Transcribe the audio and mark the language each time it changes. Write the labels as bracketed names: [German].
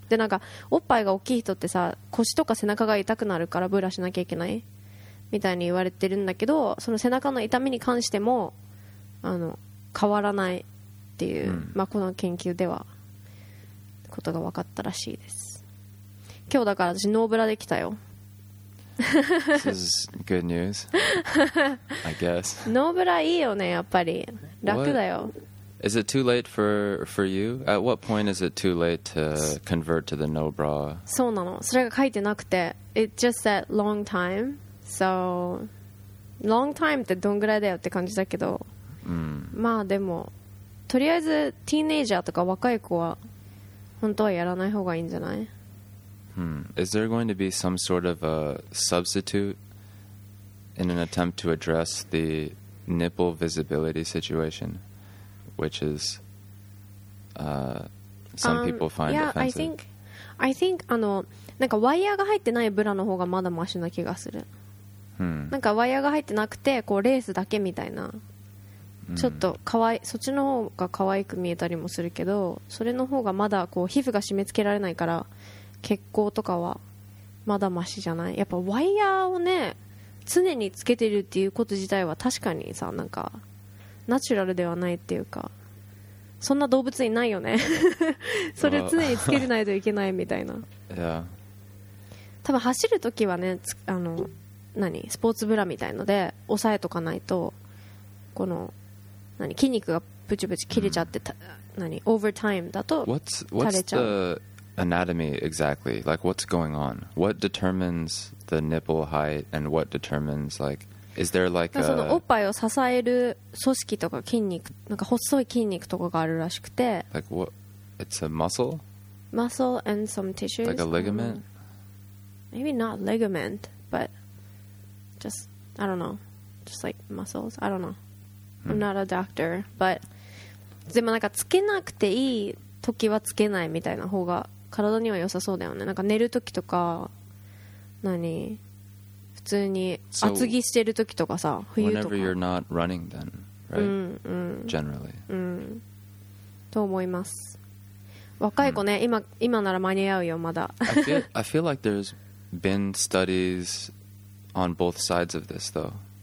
[Japanese] でなんかおっぱいが大きい人ってさ、腰とか背中が痛くなるからブラしなきゃいけないみたいに言われてるんだけど、その背中の痛みに関しても変わらないっていう、まあこの研究ではことが分かったらしいです。今日だから私ノーブラできたよ。 [English] This is good news. I guess. [Japanese] ノーブラいいよね、やっぱり楽だよ。 [English] Is it too late for you? At what point is it too late to convert to the no bra? [Japanese] そうなの、それが書いてなくて、 [English] It just said long time. So long time [Japanese] ってどんぐらいだよって感じだけど、まあでもとりあえずティーネイジャーとか若い子は本当はやらない方がいいんじゃない？ [English] Is there going to be some sort of a substitute in an attempt to address the nipple visibility situation, which is some people find offensive? Yeah, I think [Japanese] なんかワイヤーが入ってないブラの方がまだマシな気がする。なんかワイヤーが入ってなくてこうレースだけみたいな、ちょっとかわい、そっちの方が可愛く見えたりもするけど、それの方がまだこう皮膚が締め付けられないから血行とかはまだマシじゃない。やっぱワイヤーをね常につけてるっていうこと自体は確かにさ、なんかナチュラルではないっていうか、そんな動物いないよね。それ常につけてないといけないみたいな。多分走るときはね、何スポーツブラみたいので押さえとかないと、この何筋肉がブチブチ切れちゃって、何オーバータイムだと垂れちゃう。 [English] What's the anatomy exactly? Like what's going on? What determines the nipple height and what determines like is there like [Japanese] そのおっぱいを支える組織とか筋肉、なんか細い筋肉とかがあるらしくて、 [English] Like what? It's a muscle? Muscle and some tissues. Like a ligament? Maybe not ligament, but just, I don't know, just like muscles. I don't know. I'm not a doctor, but [Japanese] でもなんかつけなくていい時はつけないみたいな方が体には良さそうだよね。なんか寝る時とか何普通に厚着してる時とかさ、冬とか。 [English] Whenever you're not running, then, right? [Japanese] うんうん。 [English] Generally. [Japanese] うん。と思います。若い子ね、今なら間に合うよまだ。 [English] I feel like there's been studies on both sides of this, though.